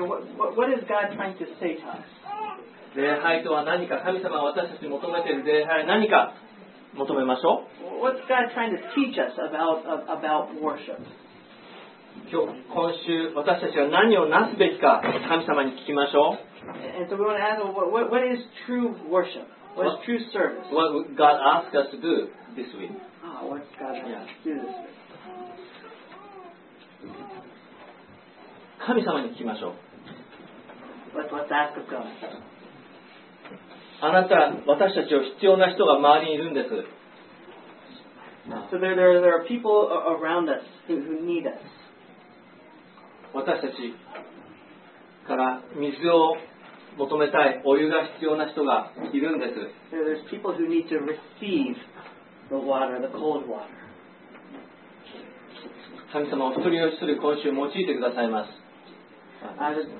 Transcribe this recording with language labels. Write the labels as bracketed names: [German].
[English] What is God trying to say to us? [Japanese] 礼拝とは何か。神様は私たちに求めている礼拝は何か求めましょう。 [English] What's God trying to teach us about worship? 今日、今週、私たちは何をなすべきか、神様に聞きましょう。 And so we want to ask, what is true worship? What is true service? What would God ask us to do this week? Ah, what God ask us to do this week? [Japanese] 神様に聞きましょう。 [English] Let's ask of God. [Japanese] あなた、私たちを必要な人が周りにいるんです。 [English] So there are people around us who need us. [Japanese] 私たちから水を求めたい、お湯が必要な人がいるんです。 [English] So there's people who need to receive the water, the cold water. [Japanese] 神様を一人一人今週用いてくださいます。